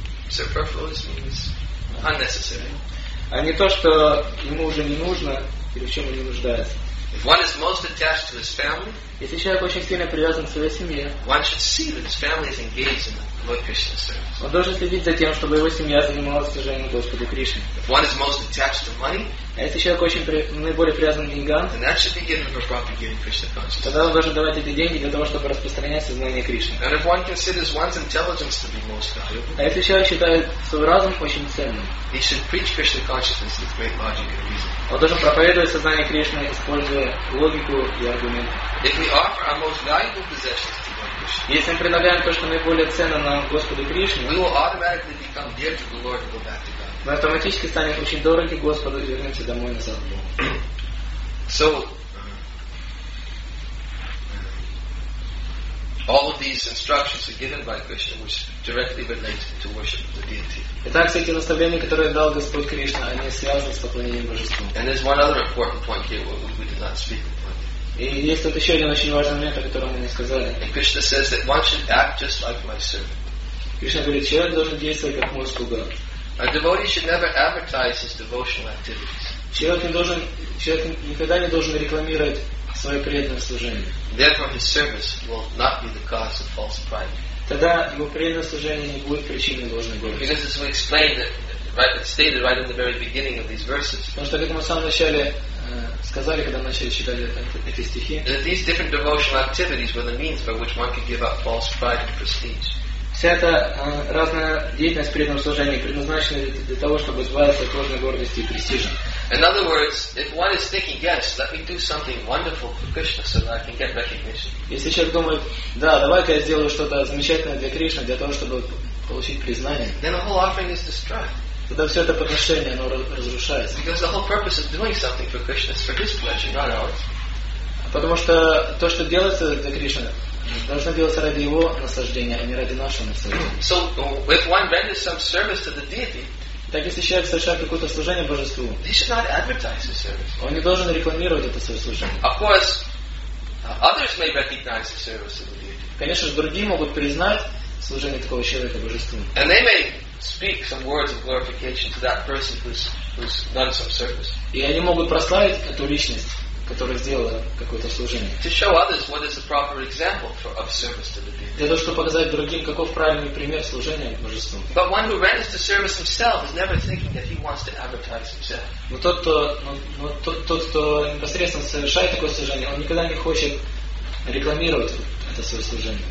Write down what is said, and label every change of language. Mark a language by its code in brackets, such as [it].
[en] Superfluous means unnecessary. [ru] А не то, что ему уже не нужно или в чем он не нуждается. [en] If one is most attached to his family, [ru] если человек очень сильно привязан к своей семье, [en] one should see that his family is engaged in Lord Krishna's service. [ru] Он должен следить за тем, чтобы его семья занималась служением Господу Кришне. [en] If one is most attached to money, [ru] а если человек наиболее привязан к деньгам, [en] then that should be given for propagating Krishna consciousness. [ru] Тогда он должен давать эти деньги для того, чтобы распространять сознание Кришны. [en] And if one considers one's intelligence to be most valuable, [ru] а если человек считает свой разум очень ценным, [en] he should preach Krishna consciousness with great logic and reason. [ru] Он должен проповедовать сознание Кришны, используя логику и аргументы. [en] If we offer our most valuable possessions to Lord Krishna, [ru] если мы предлагаем то, что наиболее ценно нам Господу Кришне, [en] we will automatically become dear to the Lord and go back to God. [ru] Мы автоматически станем очень дороги Господу и вернемся домой назад. [en] So, all of these instructions are given by Krishna, which directly relate to worship of the deity. [ru] Итак, все эти наставления, которые дал Господь Кришна, они связаны с поклонением Божеству. [en] And there's one other important point here, where we did not speak about. [ru] И есть тут еще один очень важный момент, о котором мы не сказали. [en] And Krishna says that one should act just like my servant. [ru] Кришна говорит, человек должен действовать как мой слуга. [en] A devotee should never advertise his devotional activities. [ru] Человек никогда не должен рекламировать свое преданное служение. [en] Therefore, his service will not be the cause of false pride. [ru] Тогда его преданное служение не будет причиной ложной гордости. [en] Because as we explained, it's stated right in the very beginning of these verses. [ru] Потому что как мы в самом начале сказали, когда начали читать эти стихи. [en] That these different devotional activities were the means by which one could give up false pride and prestige. [ru] Вся эта разная деятельность преданного служения предназначена для того, чтобы избавиться от ложной гордости и престижа. [en] In other words, if one is thinking, yes, let me do something wonderful for Krishna so that I can get recognition. [ru] Если человек думает, да, давай-ка я сделаю что-то замечательное для Кришны, для того, чтобы получить признание. [en] Then the whole offering is destroyed. [ru] Тогда все это подношение, оно разрушается. [en] Because the whole purpose of doing something for Krishna is for His pleasure, not ours. [ru] Потому что то, что делается для Кришны, должно делаться ради его наслаждения, а не ради нашего наслаждения. [en] So, if one renders some service to the deity, [ru] так если человек совершает какое-то служение Божеству, [en] he should not advertise his service. [ru] Он не должен рекламировать это свое служение. [en] Of course, others may recognize the service of the deity. [ru] Конечно же, другие могут признать служение такого человека Божеству. [en] And they may speak some words of glorification to that person who's done some service. [ru] И они могут прославить эту личность, которая сделала какое-то служение. [en] To show others what is the proper example of service to the deity. [ru] Для того, чтобы показать другим, каков правильный пример служения Божеству. [en] But one who renders to service himself is never thinking that he wants to advertise himself. [ru] Но тот, кто непосредственно совершает такое служение, он никогда не хочет рекламировать это свое служение.